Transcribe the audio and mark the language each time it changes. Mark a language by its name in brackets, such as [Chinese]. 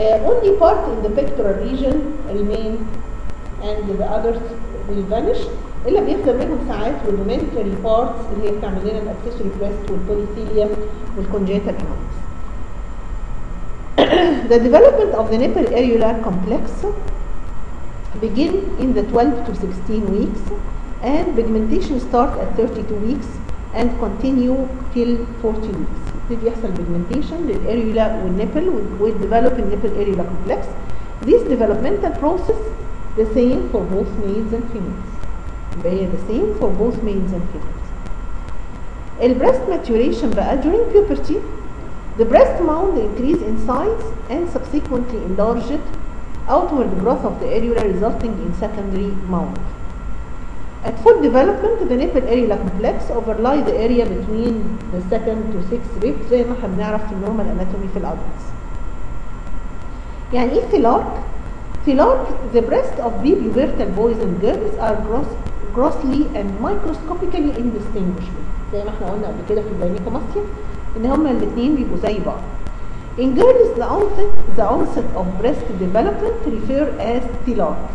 [English] Only part in the pectoral region remain and the others will vanish [Arabic] إلا بيفضل منهم ساعات [English] rudimentary parts [Arabic] اللي هي بتعمل لنا الاكسسوري بريست والبوليثيليوم والكونجنتال هيمورايدز. [English] The development of the nipple areolar complex begin in the 12 to 16 weeks and pigmentation start at 32 weeks and continue till 40 weeks. [Arabic] بيبتدي يحصل pigmentation للأريولا والنيبل [English] will develop in nipple areola complex. This developmental process the same for both males and females. They are the same for both males and females. The breast maturation بقى during puberty the breast mound increase in size and subsequently enlarge it outward growth of the areola resulting in secondary mound. At full development, the nipple areola complex overlie the area between the second to sixth rib [Arabic] زي ما احنا بنعرف في [English] normal anatomy في adults. [Arabic] يعني ايه فيلارك؟ فيلارك, [English] the breast of prepubertal boys and girls are grossly and microscopically indistinguishable. [Arabic] زي ما احنا قلنا قبل كده في الجينيكوماستيا ان هما الاثنين بيبقوا زي بعض. [English] In girls, the onset of breast development refer as tilak.